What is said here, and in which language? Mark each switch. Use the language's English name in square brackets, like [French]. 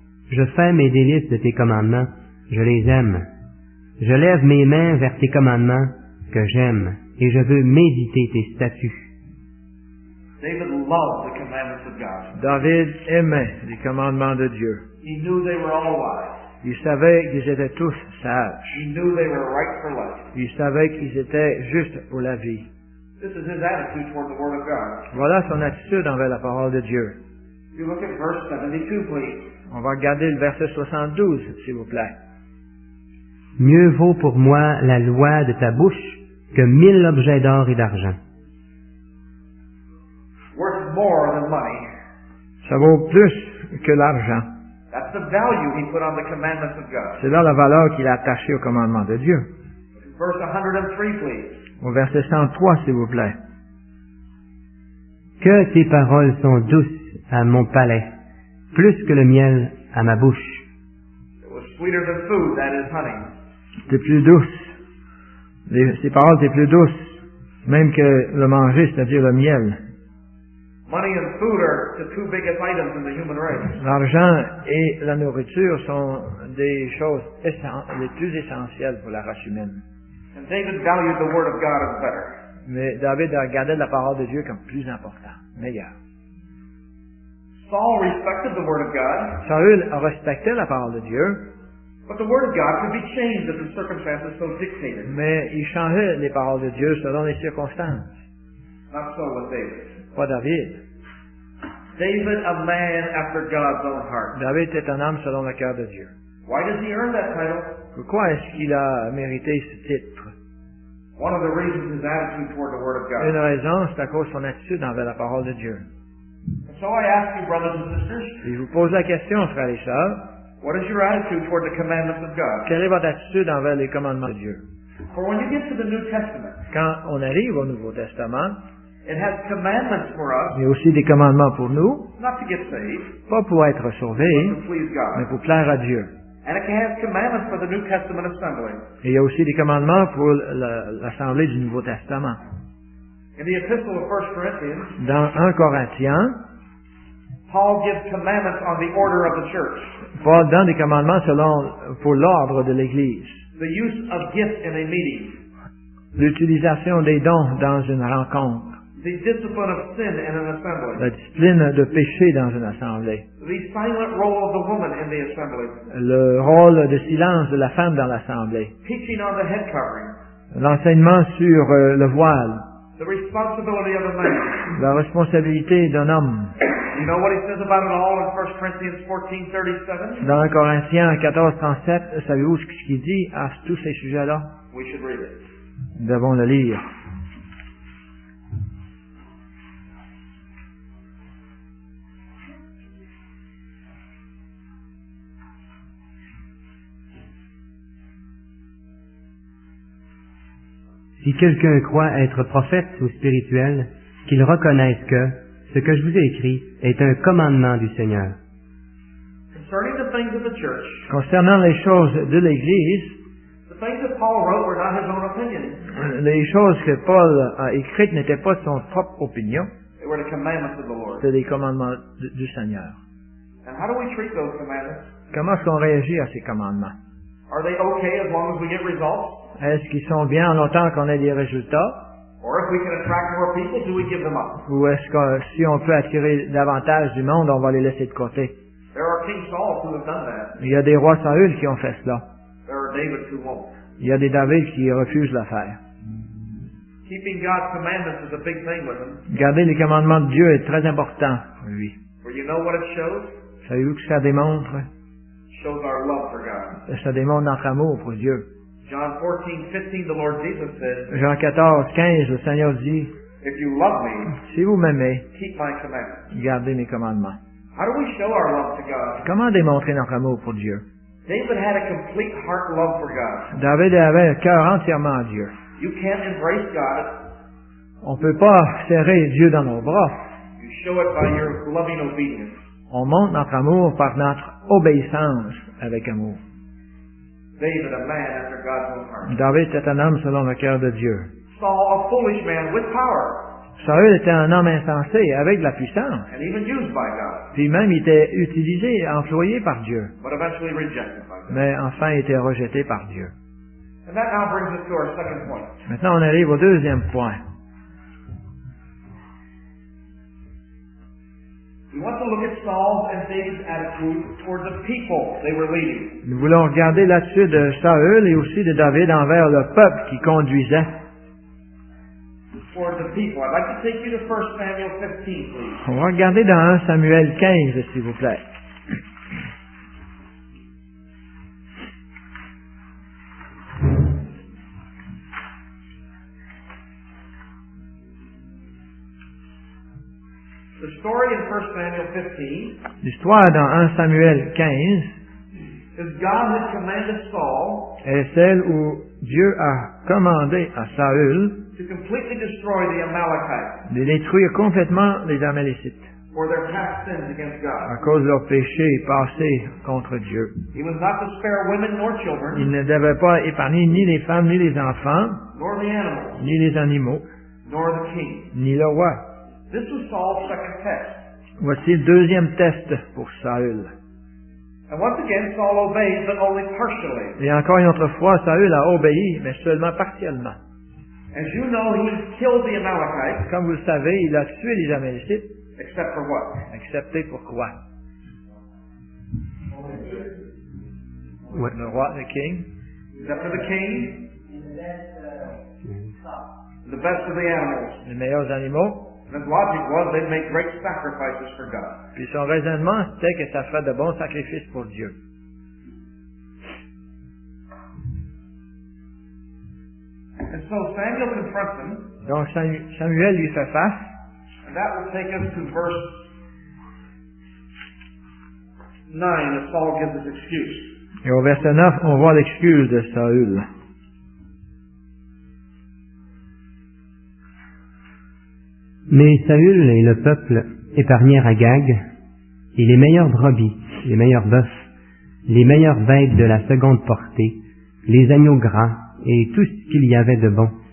[French] Je fais mes délices de tes commandements, je les aime. Je lève mes mains vers tes commandements que j'aime, et je veux méditer tes statuts. [English] David loved the commandments of God. [French] David aimait les commandements de Dieu. [English] He knew they were all wise. [French] Il savait qu'ils étaient tous sages. [English] He knew they were right for life. [French] Il savait qu'ils étaient justes pour la vie. [English] This is his attitude toward the Word of God. [French] Voilà son attitude envers la parole de Dieu. [English] You look at verse 72, please. [French] On va regarder le verset 72, s'il vous plaît. Mieux vaut pour moi la loi de ta bouche que 1000 objets d'or et d'argent. [English] Worth more than money. [French] Ça vaut plus que l'argent. [English] That's the value he put on the commandments of God. [French] C'est là la valeur qu'il a attachée aux commandements de Dieu. [English] Verse 103, please. [French] Au verset 103, s'il vous plaît. Que tes paroles sont douces à mon palais, plus que le miel à ma bouche. [English] It was sweeter than food, that is honey. [French] C'est plus douce. Ces paroles étaient plus douces, même que le manger, c'est-à-dire le miel. [English] Money and food are the two biggest items in the human race. [French] L'argent et la nourriture sont des choses les plus essentielles pour la race humaine. [English] And David valued the word of God as better. [French] Mais David a regardé la parole de Dieu comme plus important, meilleur. [English] Saul respected the word of God. [French] Saül a respecté la parole de Dieu. [English] But the word of God could be changed if the circumstances so dictated. [French] Mais il changeait les paroles de Dieu selon les circonstances. [English] Not so with David. [French] Pas David. [English] David, a man after God's own heart. [French] David était un homme selon le cœur de Dieu. [English] Why does he earn that title? [French] Pourquoi est-ce qu'il a mérité ce titre? [English] One of the reasons is attitude toward the word of God. [French] Une raison, c'est à cause de son attitude envers la parole de Dieu. [English] So I ask you, brothers and sisters. [French] Et je vous pose la question, frères et sœurs. [English] What is your attitude toward the commandments of God? [French] Quelle est votre attitude envers les commandements de Dieu? [English] For when you get to the New Testament, [French] quand on arrive au Nouveau Testament, [English] it has commandments for us, [French] il y a aussi des commandements pour nous, [English] not to get saved, [French] pas pour être sauvés, [English] but to please God, [French] mais pour plaire à Dieu. [English] And it has commandments for the New Testament assembly. [French] Et il y a aussi des commandements pour l'assemblée du Nouveau Testament. [English] In the Epistle of 1 Corinthians, [French] dans 1 Corinthiens, [English] Paul gives commandments on the order of the church. [French] Paul donne des commandements selon pour l'ordre de l'Église. [English] The use of gifts in a meeting. [French] L'utilisation des dons dans une rencontre. [English] The discipline of sin in an assembly. [French] La discipline de péché dans une assemblée. [English] The silent role of the woman in the assembly. [French] Le rôle de silence de la femme dans l'assemblée. [English] Teaching on the head covering. [French] L'enseignement sur le voile. [English] The responsibility of a man. [French] La responsabilité d'un homme. [English] You know what he says about it all in 1 Corinthians 14:37? [French] Dans 1 Corinthiens 14:37, savez-vous ce qu'il dit à tous ces sujets-là? [English] We should read it. [French] Nous devons le lire. Si quelqu'un croit être prophète ou spirituel, qu'il reconnaisse que ce que je vous ai écrit est un commandement du Seigneur. [English] Concerning the things of the church, [French] concernant les choses de l'Église, [English] the things that Paul wrote were not his own opinion. [French] Les choses que Paul a écrites n'étaient pas son propre opinion. [English] They were the commandments of the Lord. [French] C'était les commandements du Seigneur. [English] And how do we treat those commandments? [French] Comment est-ce qu'on réagit à ces commandements? [English] Are they okay as long as we get results? [French] Est-ce qu'ils sont bien en autant qu'on ait des résultats? [English] Or if we can attract more people, do we give them up? [French] Ou est-ce que si on peut attirer davantage du monde, on va les laisser de côté? [English] There are King Saul who have done that. [French] Il y a des rois Saül qui ont fait cela. [English] There are David who won't. [French] Il y a des David qui refusent de le faire. [English] Keeping God's commandments is a big thing with him. [French] Garder les commandements de Dieu est très important pour lui. [English] For you know what it shows? [French] Savez-vous que ça démontre? [English] Shows our love for God. [French] Ça démontre notre amour pour Dieu. [English] John 14:15, the Lord Jesus said, [French] Jean 14:15, le Seigneur dit, [English] If you love me, [French] si vous m'aimez, [English] keep my commandments. [French] Gardez mes commandements. [English] How do we show our love to God? [French] Comment démontrer notre amour pour Dieu? [English] David had a complete heart love for God. [French] David avait un cœur entièrement à Dieu. [English] You can't embrace God. [French] On ne peut pas serrer Dieu dans nos bras. [English] You show it by your loving obedience. [French] On montre notre amour par notre obéissance avec amour. [English] David, a man after God's own heart. [French] David était un homme selon le cœur de Dieu. [English] Saul, a foolish man with power. [French] Saul était un homme insensé avec de la puissance. [English] And even used by God. [French] Puis même, il était utilisé, employé par Dieu. [English] But eventually rejected by God. [French] Mais enfin, il était rejeté par Dieu. [English] And that now brings us to our second point. [French] Maintenant, on arrive au deuxième point. [English] We want to look at Saul's and David's attitude toward the people they were leading. [French] Nous voulons regarder l'attitude de Saül et aussi de David envers le peuple qui conduisait. [English] Toward the people. I'd like to take you to 1 Samuel 15, please. [French] On va regarder dans 1 Samuel 15, s'il vous plaît. [English] The story in 1 Samuel 15, [French] l'histoire dans 1 Samuel 15, [English] is God had commanded Saul, [French] est celle où Dieu a commandé à Saül [English] to completely destroy the Amalekites, [French] de détruire complètement les Amalécites [English] for their past sins against God. [French] À cause de leurs péchés passés contre Dieu. [English] He was not to spare women nor children, [French] il ne devait pas épargner ni les femmes ni les enfants, [English] nor the animals, [French] ni les animaux, [English] nor the king, [French] ni le roi. [English] This was Saul's second test. [French] Voici le deuxième test pour Saül. [English] And once again, Saul obeyed, but only partially. [French] Et encore une autre fois, Saül a obéi, mais seulement partiellement. [English] As you know, he killed the Amalekites. [French] Comme vous le savez, il a tué les Amalécites. [English] Except for what? [French] Excepté pour quoi? [English] Only the [French] roi, [English] the king. Except for the king. The best of the animals. [French] Les meilleurs animaux. [English] And logic was they'd make great sacrifices for God. [French] Puis son raisonnement c'était que ça ferait de bons sacrifices pour Dieu. [English] And so Samuel confronts him. [French] Donc Samuel lui fait face. [English] And that will take us to verse 9 as Saul gives his excuse. [French] Et au verset 9, on voit l'excuse de Saül. Mais Saül et le peuple épargnèrent Agag et les meilleures brebis, les meilleurs bœufs, les meilleures bêtes de la seconde portée, les agneaux gras et tout ce qu'il y avait de bon.